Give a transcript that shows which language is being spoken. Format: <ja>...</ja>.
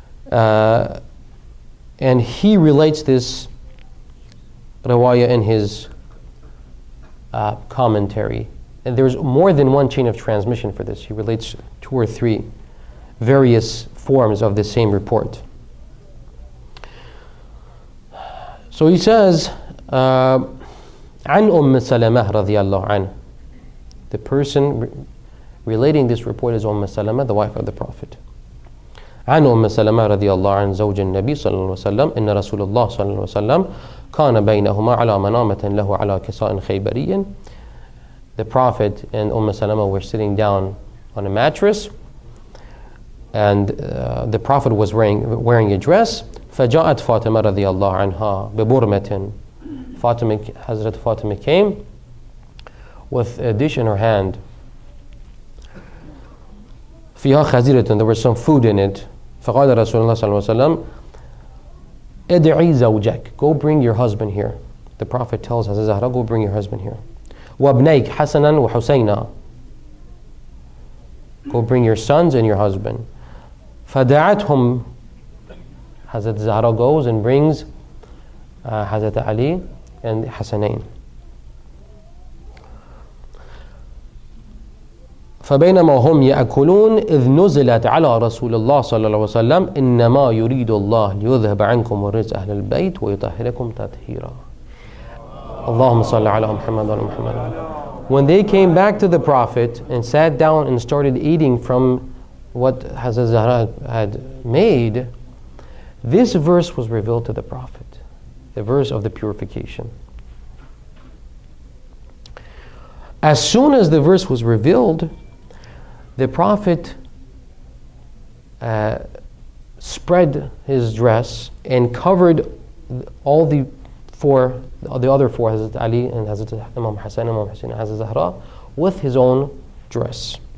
<en>And he relates this riwayat in his commentary. And there's more than one chain of transmission for this. He relates two or three various forms of the same report. So he says,</en> <ar>عن أم سلمة رضي الله عنه.</ar> <en>The person relating this report is أم سلمة, the wife of the Prophet.</en> <ar>عن أم سلمة رضي الله عنه زوج النبي صلى الله عليه وسلم إن رسول الله صلى الله عليه وسلم كان بينهما على منامة له على كساء خيبري.</ar> <en>The Prophet and أم سلمة were sitting down on a mattress, and the Prophet was wearing a dress.</en> <ar>فجاءت فاطمة رضي الله عنها ببرمة.</ar> <en>Hazrat Fatima came with a dish in her hand.</en> <ar>فيها خزيرة,</ar> <en>there was some food in it.</en> <ar>فقال رسول الله صلى الله عليه وسلم ادعي زوجك,</ar> <en>go bring your husband here. The Prophet tells Hazrat Zahra, go bring your husband here.</en> <ar>وابنيك حسنا وحسينا,</ar> <en>go bring your sons and your husband.</en> <ar>فدعتهم,</ar> <en>Hazrat Zahra goes and brings Hazrat Ali and Hassanain.</en> <ar>فبينما هم يأكلون إذ نزلت على رسول الله صلى الله عليه وسلم إنما يريد الله ليذهب عنكم الرجس أهل البيت ويطهركم تطهيرا. اللهم صل على محمد وعلى محمد.</ar> <en>When they came back to the Prophet and sat down and started eating from what Hazrat Zahra had made, this verse was revealed to the Prophet, the verse of the purification. As soon as the verse was revealed, the Prophet spread his dress and covered all the four, the other four, Hazrat Ali and Hazrat Imam Hassan, Imam Hussein, and Hazrat Zahra, with his own dress.</en>